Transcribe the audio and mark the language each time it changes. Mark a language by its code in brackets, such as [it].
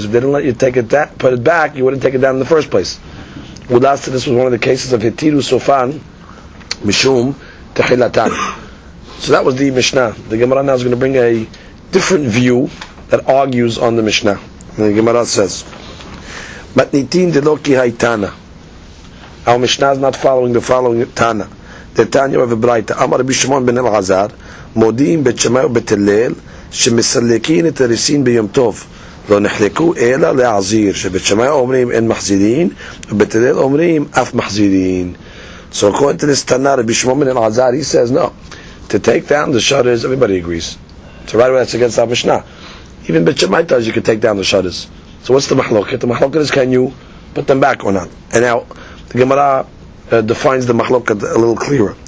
[en] Because if they didn't let you take it put it back, you wouldn't take it down in the first place. We last said this was one of the cases of Hitiru Sofan, Mishum, Tehillatan. So that was the Mishnah. The Gemara now is going to bring a different view that argues on the Mishnah. And the Gemara says, [arc] Matnitin de lo ki hai Tana. [en] Our Mishnah is not following the following Tana. The Tanya of Ebraita. [he] Amar Rabbi Shimon ben Elazar, Modim bet Shemai bet Hillel, שמסלקין את הריסין ביום טוב לא נחלקו אלא להעזיר שבית שמאי אומרים אין מחזירין ובית הלל אומרים אף מחזירין. [en] So according to this Tana, Rabbi Shimon ben Elazar, he says no, to take down the shutters, everybody agrees. So right away that's against our Mishnah. Even Bet Shemai tells you can take down the shutters. So what's the Mahloket? The Mahloket is can you put them back or not? And now the Gemara defines the Mahloket a little clearer.